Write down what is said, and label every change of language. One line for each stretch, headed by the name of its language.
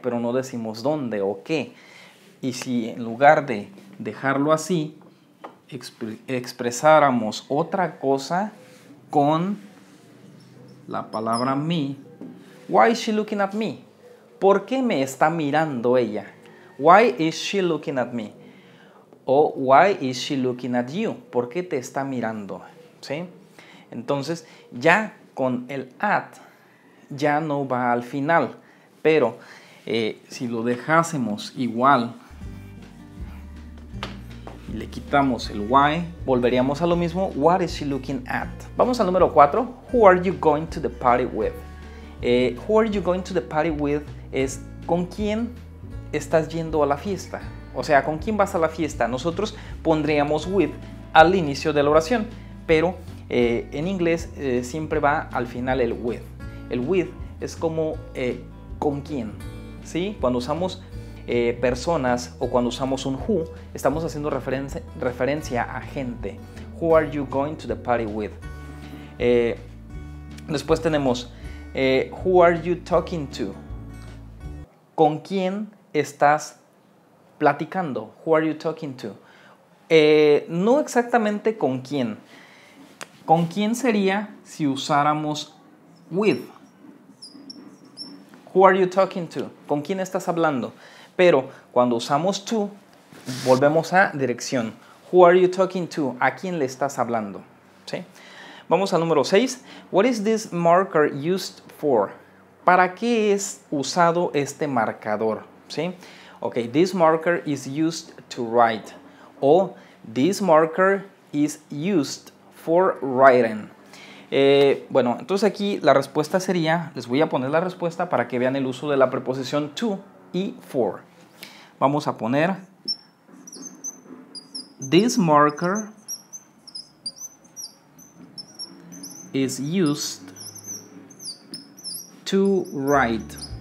Spanish: Pero no decimos dónde o qué. Y si en lugar de dejarlo así, expresáramos otra cosa con la palabra me.
English: Why is she looking at me?
Spanish: ¿Por qué me está mirando ella?
English: Why is she looking at me? O why is she looking at you?
Spanish: ¿Por qué te está mirando? ¿Sí? Entonces, ya con el at, ya no va al final. Pero si lo dejásemos igual y le quitamos el why, volveríamos a lo mismo.
English: What is she looking at?
Spanish: Vamos al número 4.
English: Who are you going to the party with? Who are you going to the party with
Spanish: es con quién estás yendo a la fiesta. O sea, con quién vas a la fiesta. Nosotros pondríamos with al inicio de la oración, pero en inglés siempre va al final el with. El with es como con quién, ¿sí? Cuando usamos personas o cuando usamos un who, estamos haciendo referencia a gente.
English: Who are you going to the party with?
Spanish: Después tenemos,
English: who are you talking to?
Spanish: ¿Con quién estás platicando?
English: Who are you talking to?
Spanish: No exactamente con quién. ¿Con quién sería si usáramos with?
English: Who are you talking to?
Spanish: ¿Con quién estás hablando? Pero cuando usamos to, volvemos a dirección.
English: Who are you talking to?
Spanish: ¿A quién le estás hablando? ¿Sí? Vamos al número 6.
English: What is this marker used for?
Spanish: ¿Para qué es usado este marcador? ¿Sí?
English: Ok, this marker is used to write. O this marker is used for writing.
Spanish: Bueno, entonces aquí la respuesta sería, les voy a poner la respuesta para que vean el uso de la preposición to y for. Vamos a poner,
English: this marker is used to write.